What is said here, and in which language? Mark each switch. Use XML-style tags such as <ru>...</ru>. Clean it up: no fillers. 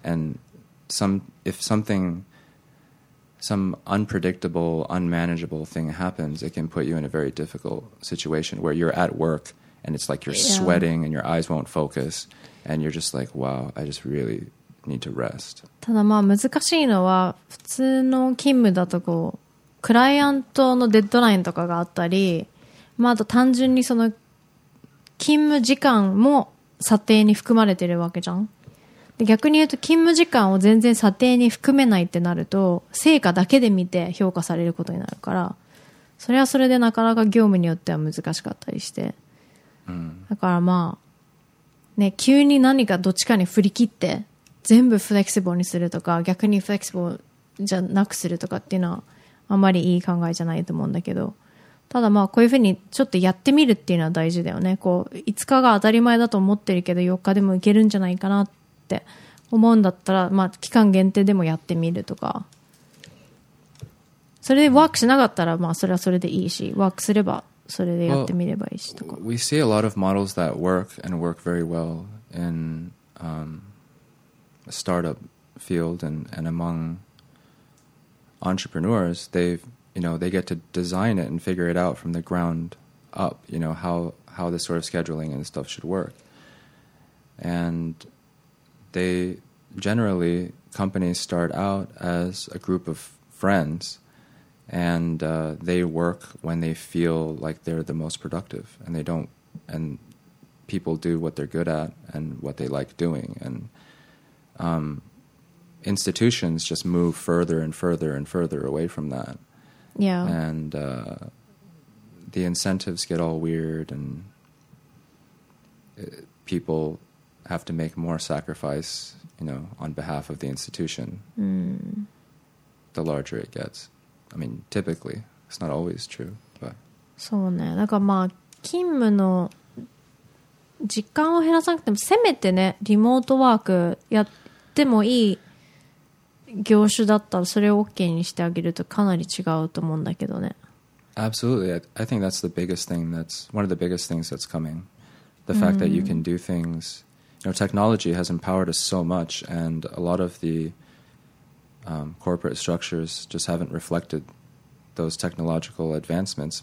<en>And if something unpredictable, unmanageable thing happens, it can put you in a very difficult situation where you're at work and it's like you're sweating and your eyes won't focus. And you're just like, wow, I just really need to rest.</en> <ja>ただまあ難しいのは普通の勤務だとこう、クライアントのデッドラインとかがあったり、まあ、あと単純にその勤務時間も査定に含まれてるわけじゃん。で逆に言うと勤務時間を全然査定に含めないってなると成果だけで見て評価されることになるから、それはそれでなかなか業務によっては難しかったりして、うん、だからまあね、急に何かどっちかに振り切って全部フレキシブルにするとか、逆にフレキシブルじゃなくするとかっていうのはあまりいい考えじゃないと思うんだけど、ただまあこういうふうにちょっとやってみるっていうのは大事だよね。こう5日が当たり前だと思ってるけど4日でもいけるんじゃないかなって思うんだったら、まあ期間限定でもやってみるとか、それでワークしなかったらまあそれはそれでいいし、ワークすればそれでやってみればいいしとか。</ja> <en>Well, we see a lot of models that work and work very well in a startup field and amongentrepreneurs, they get to design it and figure it out from the ground up, you know, how this sort of scheduling and stuff should work. And they generally, companies start out as a group of friends, and they work when they feel like they're the most productive, and they don't, and people do what they're good at and what they like doing. And institutions just move further and further and further away from that. Yeah. And the incentives get all weird, and people have to make more sacrifice, you know, on behalf of the institution, the larger it gets. I mean, typically, it's not always true, but.</en> <ja>そうね。なんかまあ、勤務の時間を減らさなくても、せめてね、リモートワークやってもいい業種だったらそれを OK にしてあげるとかなり違うと思うんだけどね。</ja> <en>Absolutely. I think that's the biggest thing, that's one of the biggest things that's coming. The fact that you can do things, you know, technology has empowered us so much, and a lot of the corporate structures just haven't reflected those technological advancements.</en>